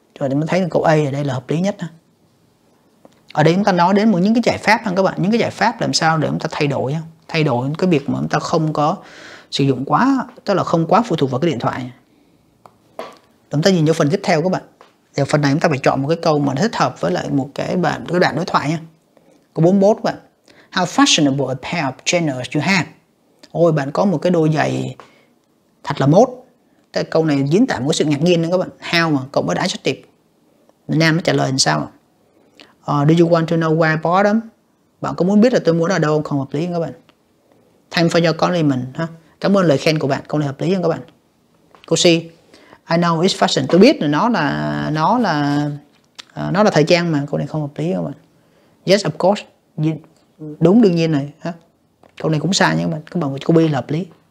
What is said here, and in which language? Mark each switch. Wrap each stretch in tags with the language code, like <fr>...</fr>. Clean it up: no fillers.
<vi>Rồi chúng ta thấy câu A ở đây là hợp lý nhất đó. Ở đây chúng ta nói đến một những cái giải pháp nha các bạn, những cái giải pháp làm sao để chúng ta thay đổi, thay đổi cái việc mà chúng ta không có sử dụng quá, tức là không quá phụ thuộc vào cái điện thoại. Chúng ta nhìn vào phần tiếp theo các bạn. Thì phần này chúng ta phải chọn một cái câu mà nó thích hợp với lại một cái đoạn đối thoại nha. Câu 41 các bạn.</vi> <en>How fashionable a pair of trainers you have.</en> <vi>Ôi bạn có một cái đôi giày thật là mốt. Cái câu này diễn tả một sự ngạc nhiên nữa các bạn. How mà cộng với adjective. Nam nó trả lời làm sao.</vi> <en>Do you want to know where I bought them?</en> <vi>Bạn có muốn biết là tôi muốn ở đâu không? Không hợp lý các bạn.</vi> <en>Thank for your compliment</en> <vi>ha. Cảm ơn lời khen của bạn. Câu này hợp lý không các bạn. Câu C.</vi> <en>I know it's fashion.</en> <vi>Tôi biết là nó là thời trang mà. Câu này không hợp lý không các bạn.</vi> <en>Yes of course.</en> <vi>Đúng đương nhiên này ha. Câu này cũng sai nha các bạn. Các bạn có bi là hợp lý.</vi>